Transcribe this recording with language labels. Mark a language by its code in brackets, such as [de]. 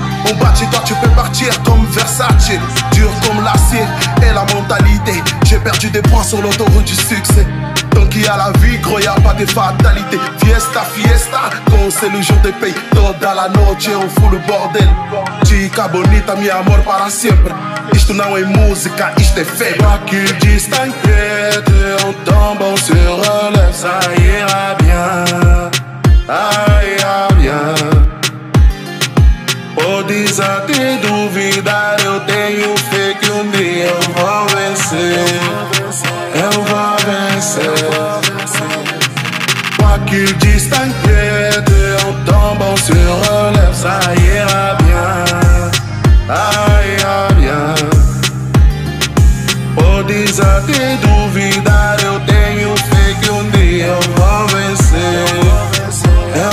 [fr] On bat chez toi, tu peux partir comme Versace. Dur comme l'acier et la mentalité. J'ai perdu des points sur l'autoroute du succès. Tant qu'il y a la vie, gros, y'a pas de fatalité. Fiesta, fiesta, quand c'est le jour des pays. [es] Toda la noche, [fr] on fout le bordel. [es] Chica bonita, mi amor para siempre. [pt] Isto não é música, isto é fé. [fr] Quoi qu'il dise, t'inquiète, on tombe, on se relève, ça ira bien. Ah, ira bien. [pt] Podes até duvidar, eu tenho fé que dia eu vou vencer. Eu vou vencer. [fr] Quoi qu'il dise, t'inquiète, on tombe, on se relève, ça ira bien. Ah, ira bien. [pt] Podes até duvidar, eu tenho fé que dia eu vou vencer.